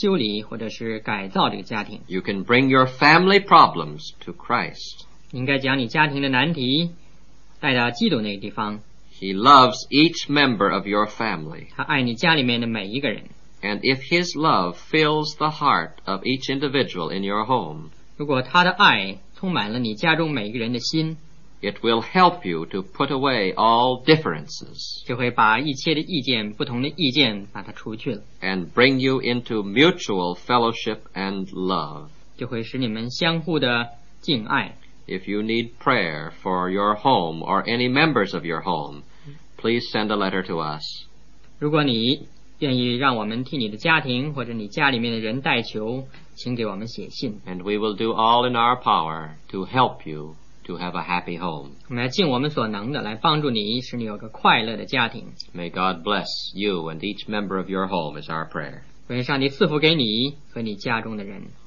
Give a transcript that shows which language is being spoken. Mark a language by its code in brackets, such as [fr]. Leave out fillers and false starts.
[zh] 因为那位建立家庭的，他也可以修理或者是改造这个家庭。 [en] You can bring your family problems to Christ. [zh] 应该将你家庭的难题 带到基督那个地方, [en] He loves each member of your family. [zh] 他爱你家里面的每一个人, [en] and if his love fills the heart of each individual in your home, [zh] 如果他的爱充满了你家中每一个人的心, [en] it will help you to put away all differences, [zh] 就会把一切的意见,不同的意见把它除去了, [en] and bring you into mutual fellowship and love. [zh] 就会使你们相互的敬爱。 [en] If you need prayer for your home or any members of your home, please send a letter to us. [zh] 如果你愿意让我们替你的家庭或者你家里面的人代求，请给我们写信。 [en] And we will do all in our power to help you to to have a happy home. [zh] 我们要尽我们所能的来帮助你，使你有个快乐的家庭。 [en] May God bless you and each member of your home is our prayer. [zh] 愿上帝赐福给你和你家中的人。